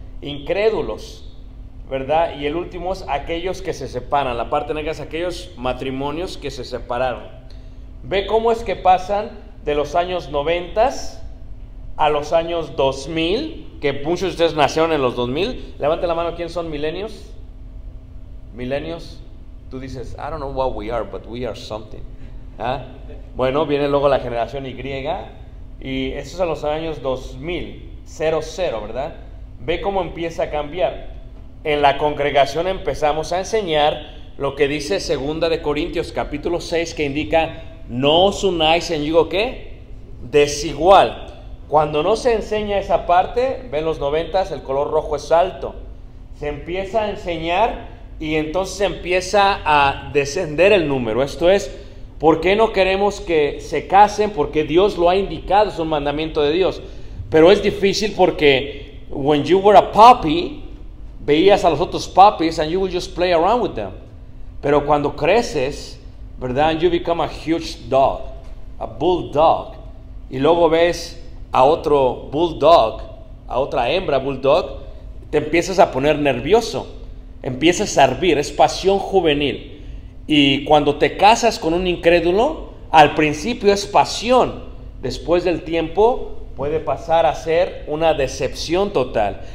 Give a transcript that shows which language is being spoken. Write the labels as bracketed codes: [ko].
[es] incrédulos, ¿verdad? Y el último es aquellos que se separan, la parte negra es aquellos matrimonios que se separaron. Ve cómo es que pasan de los años 90 a los años 2000, que muchos de ustedes nacieron en los 2000. Levante la mano, ¿quién son milenios? ¿Milenios? Tú dices, [en] I don't know what we are, but we are something. [es] ¿Ah? Bueno, viene luego la generación Y, y eso es a los años 2000, 00, ¿verdad? Ve cómo empieza a cambiar. En la congregación empezamos a enseñar lo que dice 2 Corintios capítulo 6, que indica, no os unáis en yugo, ¿qué? Desigual. Cuando no se enseña esa parte, ven los 90s, el color rojo es alto. Se empieza a enseñar y entonces empieza a descender el número. Esto es, ¿por qué no queremos que se casen? Porque Dios lo ha indicado, es un mandamiento de Dios. Pero es difícil porque [en] when you were a puppy, [es] veías a los otros [en] puppies and you would just play around with them. [es] Pero cuando creces, ¿verdad? [en] And you become a huge dog, a bulldog. [es] Y luego ves a otro bulldog, a otra hembra bulldog, te empiezas a poner nervioso. Empiezas a hervir, es pasión juvenil. Y cuando te casas con un incrédulo, al principio es pasión. Después del tiempo puede pasar a ser una decepción total.